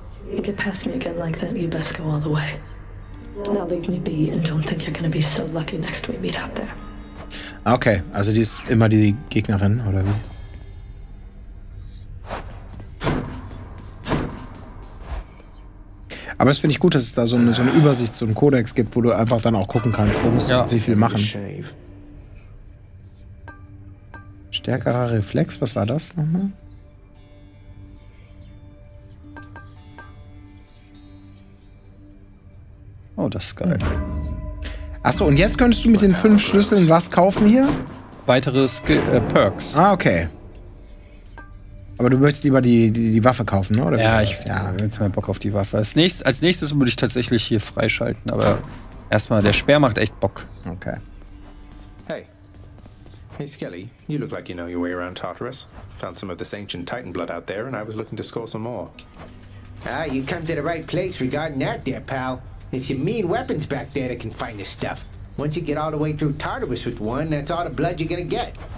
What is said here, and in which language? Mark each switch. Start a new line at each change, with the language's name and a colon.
English: You get past me again like that, you best go all the way. Now leave me be and don't think you're gonna be so lucky next we meet out there.
German: Okay, also die ist immer die Gegnerin, oder wie? Aber das finde ich gut, dass es da so eine Übersicht, so einen Kodex gibt, wo du einfach dann auch gucken kannst, wo musst du wie viel machen. Stärkerer Reflex, was war das nochmal? Oh, das ist geil. Achso, und jetzt könntest du mit den 5 Schlüsseln was kaufen hier? Weitere Perks. Ah, okay. Aber du möchtest lieber die Waffe kaufen, ne? Oder ja, jetzt mal Bock auf die Waffe. Als nächstes würde ich tatsächlich hier freischalten, aber erstmal, der Speer macht echt Bock. Okay.
English: Hey, Skelly, you look like you know your way around Tartarus. Found some of this ancient Titan blood out there and I was looking to score some more. Ah, you come to the right place regarding that there, pal. It's your mean weapons back there that can find this stuff. Once you get all the way through Tartarus with one, that's all the blood you're gonna get.